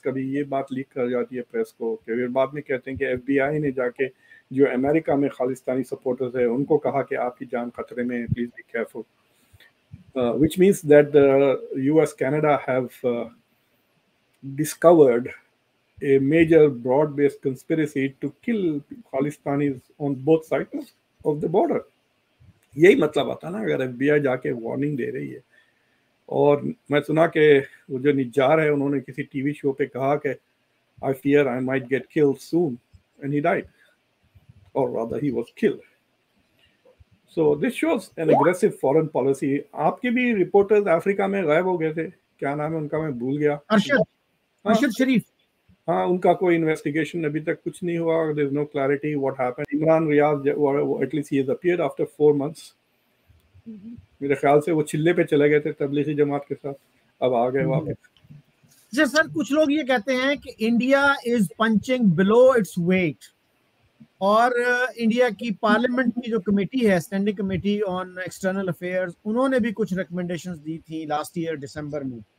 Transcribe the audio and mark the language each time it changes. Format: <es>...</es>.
<ur>کبھی یہ بات لیک کر جاتی ہے پریس کو کہ پھر بعد میں کہتے ہیں کہ ایف بی آئی نے جا کے جو امریکہ میں خالصتانی سپورٹرز ہیں ان کو کہا کہ آپ کی جان خطرے میں,</ur> <en>Please be careful, which means that the U S Canada have discovered a major broad based conspiracy to kill Khalistanis on both sides of the border.</en> <ur>یہی مطلب آتا نا, اگر ایف بی آئی جا کے وارننگ دے رہی ہے اور میں سنا کہ وہ جو نجار ہے انہوں نے کسی ٹی وی شو پہ کہا کہ</ur> <en>I fear I might get killed soon and he died or rather he was killed. So this shows an aggressive foreign policy.</en> <ur>آپ کے بھی رپورٹرز افریقہ میں غائب ہو گئے تھے, کیا نام ہے ان کا, میں بھول گیا, ارشد شریف. ہاں ان کا کوئی انویسٹیگیشن ابھی تک کچھ نہیں ہوا.</ur> <en>There is no clarity what happened. Imran Riaz, at least he has appeared after 4 months.</en> <ur>میرے خیال سے وہ چلے پہ چلے گئے تھے تبلیغی جماعت کے ساتھ, اب آ گئے واپس. سر کچھ لوگ یہ کہتے ہیں کہ</ur> <en>India is punching below its weight,</en> <ur>اور انڈیا کی پارلیمنٹ کی جو کمیٹی ہے standing committee on external affairs, انہوں نے بھی کچھ ریکمنڈیشنز دی تھیں لاسٹ ایئر دسمبر میں.</ur>